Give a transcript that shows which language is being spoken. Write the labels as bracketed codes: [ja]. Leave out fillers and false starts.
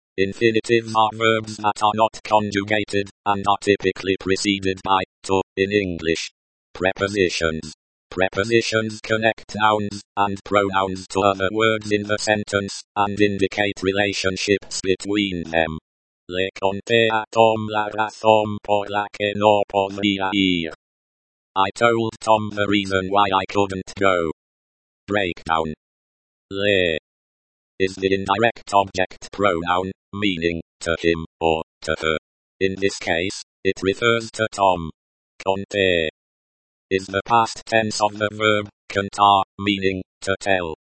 [en] Infinitives are verbs that are not conjugated and are typically preceded by to in English. Prepositions. Prepositions connect nouns and pronouns to other words in the sentence and indicate relationships between them. [es] Le conté a Tom la razón por la que no podía ir. [en] I told Tom the reason why I couldn't go. Breakdown. Le is the indirect object pronoun, meaning to him or to her. In this case, it refers to Tom. Conté is the past tense of the verb contar, meaning to tell.